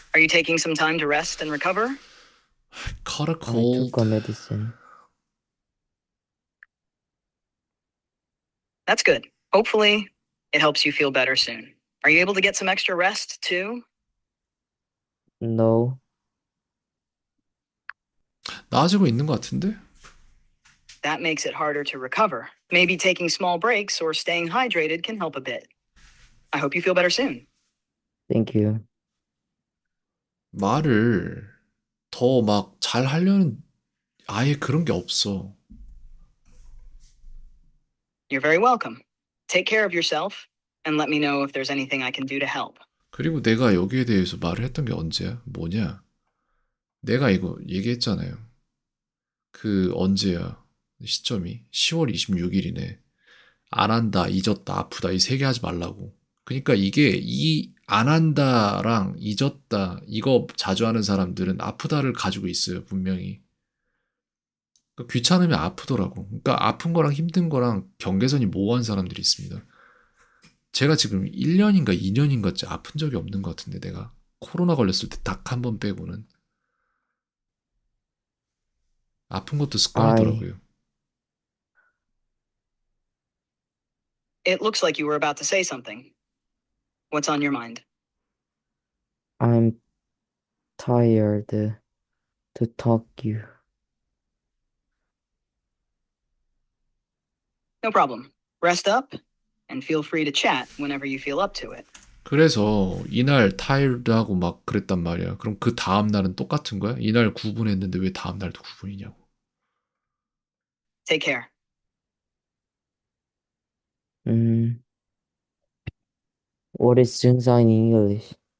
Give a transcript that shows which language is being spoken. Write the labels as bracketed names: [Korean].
[English] Are you taking some time to rest and recover? Caught a I took a cold. medicine. That's good. Hopefully, it helps you feel better soon. Are you able to get some extra rest too? No. [Korean] 나아지고 있는 것 같은데? [English] That makes it harder to recover. Maybe taking small breaks or staying hydrated can help a bit. I hope you feel better soon. Thank you. [Korean] 말을 더막잘 하려는 아예 그런 게 없어. [English] You're very welcome. Take care of yourself and let me know if there's anything I can do to help. [Korean] 그리고 내가 여기에 대해서 말을 했던 게 언제야? 뭐냐? 내가 이거 얘기했잖아요. 그 언제야? 시점이 10월 26일이네. 안 한다, 잊었다, 아프다 이세개 하지 말라고. 그러니까 이게 이안 한다랑 잊었다 이거 자주 하는 사람들은 아프다를 가지고 있어요, 분명히. 그러니까 귀찮으면 아프더라고. 그러니까 아픈 거랑 힘든 거랑 경계선이 모호한 사람들이 있습니다. 제가 지금 1년인가 2년인가째 아픈 적이 없는 것 같은데, 내가 코로나 걸렸을 때딱한번 빼고는. 아픈 것도 습관이더라고요. [English] It looks like you were about to say something. What's on your mind? I'm tired to talk you. No problem. Rest up and feel free to chat whenever you feel up to it. [Korean] 그래서 이날 타이어드하고 막 그랬단 말이야. 그럼 그 다음 날은 똑같은 거야? 이날 구분했는데 왜 다음 날도 구분이냐고. [English] Take care. What is Jun sign in English?